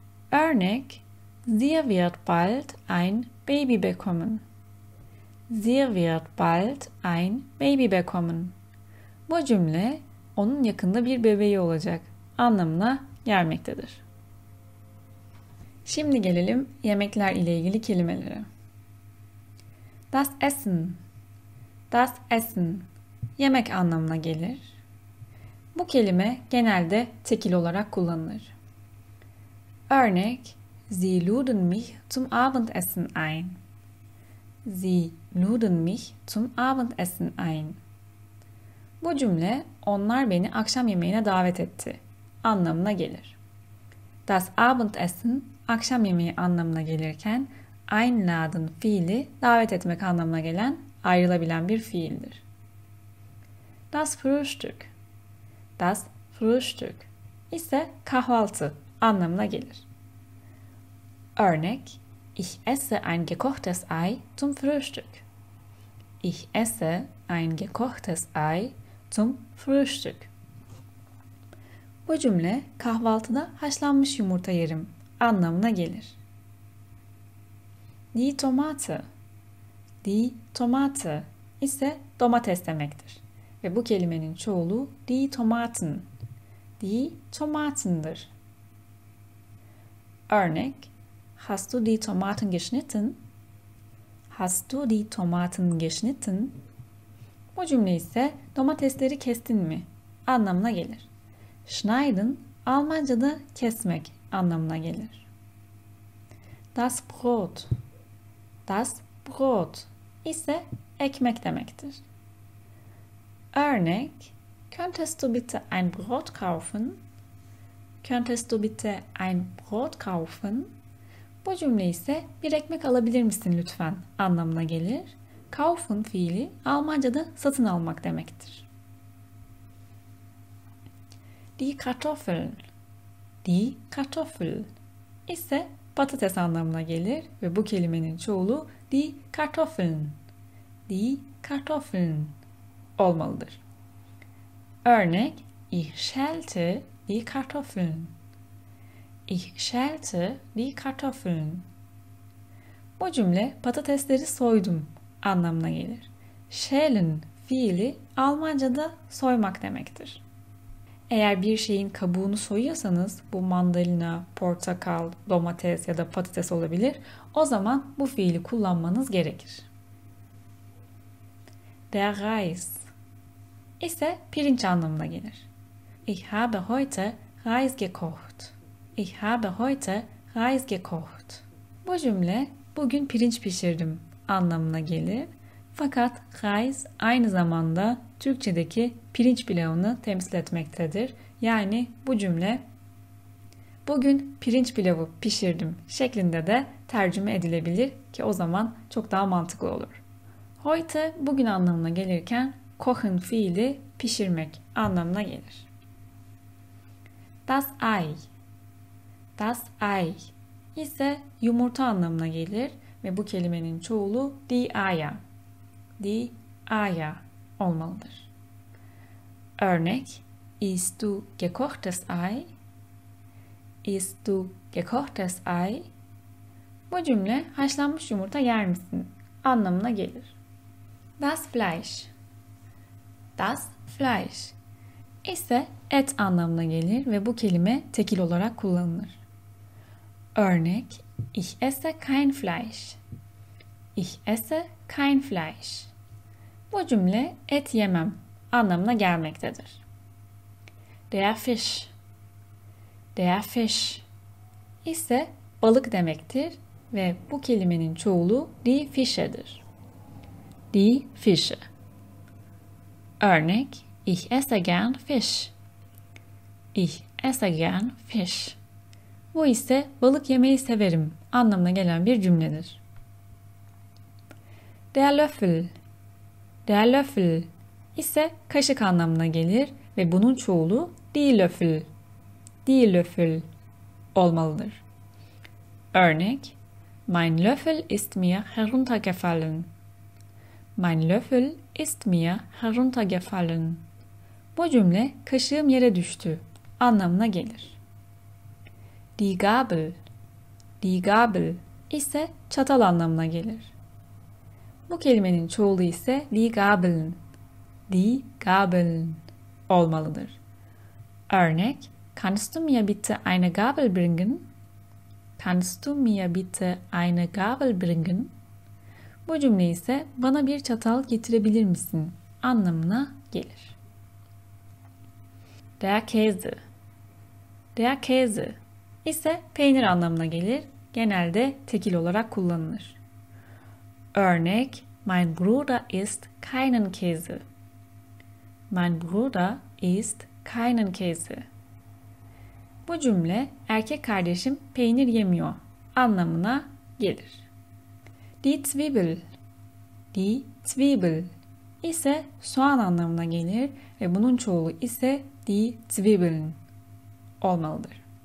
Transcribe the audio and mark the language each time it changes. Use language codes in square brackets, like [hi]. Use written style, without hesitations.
[de] Örnek: Sie wird bald ein Baby bekommen. Sie wird bald ein Baby bekommen. [tr] Bu cümle onun yakında bir bebeği olacak anlamına gelmektedir. Şimdi gelelim yemekler ile ilgili kelimelere. Das Essen. Das Essen. Yemek anlamına gelir. Bu kelime genelde tekil olarak kullanılır. [de] Örnek: Sie luden mich zum Abendessen ein. Sie luden mich zum Abendessen ein. [tr] Bu cümle onlar beni akşam yemeğine davet etti anlamına gelir. Das Abendessen akşam yemeği anlamına gelirken einladen fiili davet etmek anlamına gelen ayrılabilen bir fiildir. Das Frühstück. Das Frühstück ise kahvaltı anlamına gelir. [de] Örnek: Ich esse ein gekochtes Ei zum Frühstück. Ich esse ein gekochtes Ei zum Frühstück. [tr] Bu cümle kahvaltıda haşlanmış yumurta yerim anlamına gelir. Die Tomate. Die Tomate ise domates demektir. Ve bu kelimenin çoğulu die Tomaten. Die Tomaten'dır. [de] Örnek: Hast du die Tomaten geschnitten? Hast du die Tomaten geschnitten? [tr] Bu cümle ise domatesleri kestin mi anlamına gelir. Schneiden Almanca'da kesmek anlamına gelir. Das Brot. Das Brot ise ekmek demektir. [de] Örnek: Könntest du bitte ein Brot kaufen? Könntest du bitte ein Brot kaufen? [tr] Bu cümle ise bir ekmek alabilir misin lütfen anlamına gelir. Kaufen fiili Almanca'da satın almak demektir. Die Kartoffeln. Die Kartoffeln ise patates anlamına gelir ve bu kelimenin çoğulu die Kartoffeln. Die Kartoffeln olmalıdır. [de] Örnek: Ich schälte die Kartoffeln. Ich schälte die Kartoffeln. [tr] Bu cümle patatesleri soydum anlamına gelir. Schälen fiili Almanca'da soymak demektir. Eğer bir şeyin kabuğunu soyuyorsanız, bu mandalina, portakal, domates ya da patates olabilir. O zaman bu fiili kullanmanız gerekir. Der Reis ise pirinç anlamına gelir. [de] Ich habe heute Reis gekocht. Ich habe heute Reis gekocht. [tr] Bu cümle bugün pirinç pişirdim anlamına gelir. Fakat Reis aynı zamanda Türkçedeki pirinç pilavını temsil etmektedir. Yani bu cümle bugün pirinç pilavı pişirdim şeklinde de tercüme edilebilir ki o zaman çok daha mantıklı olur. Heute bugün anlamına gelirken kochen fiili pişirmek anlamına gelir. Das Ei. Das Ei ise yumurta anlamına gelir ve bu kelimenin çoğulu die Eier, die Eier olmalıdır. [de] Örnek: Ist du gekochtes Ei? Ist du gekochtes Ei? [tr] Bu cümle haşlanmış yumurta yer misin anlamına gelir. Das Fleisch. Das Fleisch ise et anlamına gelir ve bu kelime tekil olarak kullanılır. [de] Örnek: Ich esse kein Fleisch. Ich esse kein Fleisch. [tr] Bu cümle et yemem anlamına gelmektedir. Der Fisch. Der Fisch ise balık demektir ve bu kelimenin çoğulu die Fische'dir. [de] Die Fische. Örnek: Ich esse gern Fisch. Ich esse gern Fisch. [tr] Bu ise balık yemeyi severim anlamına gelen bir cümledir. Der Löffel. Der Löffel ise kaşık anlamına gelir ve bunun çoğulu die Löffel. Die Löffel olmalıdır. [de] Örnek: Mein Löffel ist mir heruntergefallen. Mein Löffel ist mir heruntergefallen. [tr] Bu cümle kaşığım yere düştü anlamına gelir. Die Gabel. Die Gabel ise çatal anlamına gelir. Bu kelimenin çoğulu ise die Gabeln. Die Gabeln olmalıdır. [de] Örnek: Kannst du mir bitte eine Gabel bringen? Kannst du mir bitte eine Gabel bringen? [tr] Bu cümle ise bana bir çatal getirebilir misin anlamına gelir. Der Käse. Der Käse ise peynir anlamına gelir. Genelde tekil olarak kullanılır. [de] Örnek: Mein Bruder ist keinen Käse. Mein Bruder ist keinen Käse. [tr] Bu cümle erkek kardeşim peynir yemiyor anlamına gelir. Die Zwiebel. Die Zwiebel ise soğan anlamına gelir ve bunun çoğulu ise die Zwiebeln olmalıdır.